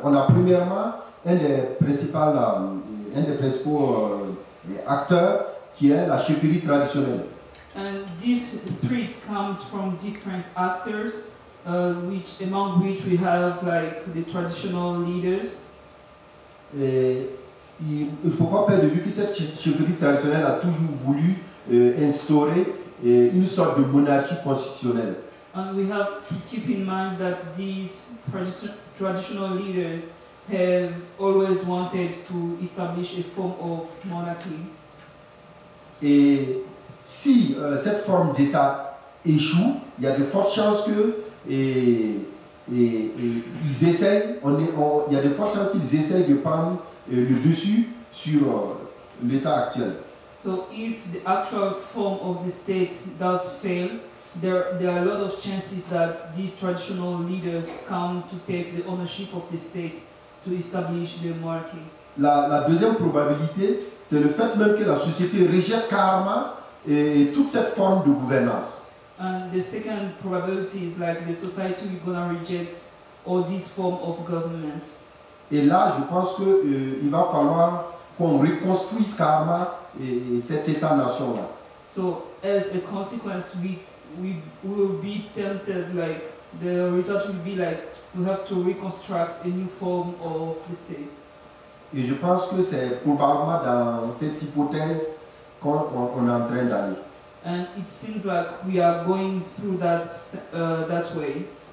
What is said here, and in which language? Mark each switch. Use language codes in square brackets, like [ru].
[fr] On a premièrement un des principaux acteurs qui est la chefferie traditionnelle. [en] And this threat comes from different actors, which among which we have like the traditional leaders. [fr] Et il ne faut pas perdre de vue que cette chefferie traditionnelle a toujours voulu instaurer une sorte de monarchie constitutionnelle. [en] And we have to keep in mind that these traditional leaders have always wanted to establish a form of monarchy. [fr] Et si cette forme d'État échoue, il y a de fortes chances que ils essayent de prendre le dessus sur l'État actuel. [en] So if the actual form of the state does fail, there are a lot of chances that these traditional leaders come to take the ownership of the state to establish the monarchy. [fr] La deuxième probabilité, c'est le fait même que la société rejette carrément toute cette forme de gouvernance. [en] And the second probability is like the society is going to reject all these forms of governance. [fr] Et là, je pense que il va falloir qu'on reconstruise carrément et cet État-nation là. [en] So as a consequence, we will be tempted, like the result will be like we have to reconstruct a new form of the state. [fr] Et je pense que c'est probablement dans cette hypothèse qu'on est en train d'aller. [en] And it seems like we are going through that that way.